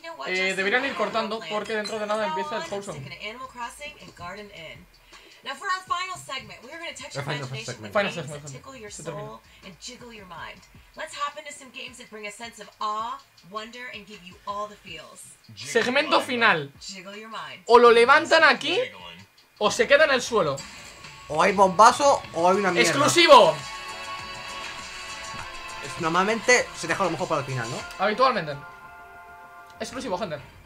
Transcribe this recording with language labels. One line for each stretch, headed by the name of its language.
Spanish: Deberían ir cortando porque dentro de nada empieza el Wholesome.
English: Now for our final segment, we are going to touch your imagination with games that tickle your soul and jiggle your mind. Let's hop into some games that bring a sense of awe, wonder, and give you all the feels.
Spanish: Segmento final.
English: Jiggle your mind.
Spanish: O lo levantan aquí, o se queda en el suelo. O hay bombazo, o hay una mierda. ¡Exclusivo! Normalmente se deja a lo mejor para el final, ¿no? Habitualmente. Exclusivo, gente.